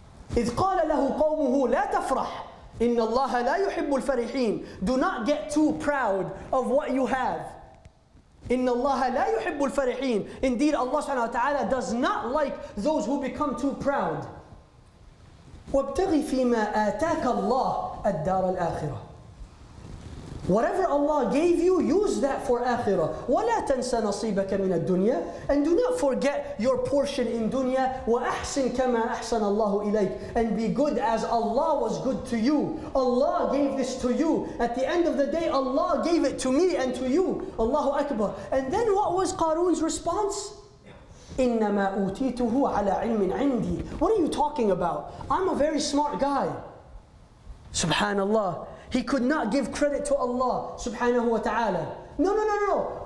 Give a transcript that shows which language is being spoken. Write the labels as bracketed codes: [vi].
[ar] إِذْ قَالَ لَهُ قَوْمُهُ لَا تَفْرَحْ. إن الله لا يحب الفرحين. [en] Do not get too proud of what you have. [ar] إن الله لا يحب الفرحين. [en] Indeed, Allah subhanahu wa ta'ala does not like those who become too proud. [ar] وابتغي فيما آتاك الله الدار الآخرة. [en] Whatever Allah gave you, use that for akhirah. [ar] ولا تنسى نصيبك من الدنيا. [en] And do not forget your portion in dunya. [ar] وأحسن كما أحسن الله إليك. [en] And be good as Allah was good to you. Allah gave this to you. At the end of the day, Allah gave it to me and to you. Allahu Akbar. And then what was Qarun's response? [ar] إنما أوتيته على علم عندي. [en] What are you talking about? I'm a very smart guy. SubhanAllah. He could not give credit to Allah subhanahu wa ta'ala. No.